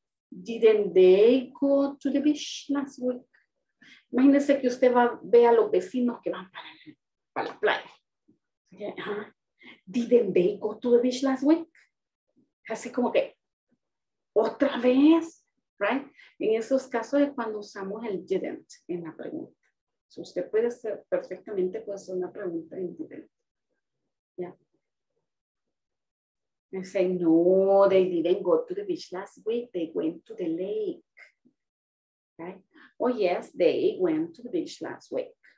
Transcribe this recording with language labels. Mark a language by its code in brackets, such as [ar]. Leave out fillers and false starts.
[en] Didn't they go to the beach last week? [es] Imagínese que usted va, ve a los vecinos que van para la playa. [en] Yeah. Didn't they go to the beach last week? [es] Así como que, otra vez, right? En esos casos es cuando usamos el didn't en la pregunta. So usted puede hacer perfectamente, puede hacer una pregunta en didn't. [en] Yeah. I say, no, they didn't go to the beach last week. They went to the lake. Okay. Oh, yes, they went to the beach last week.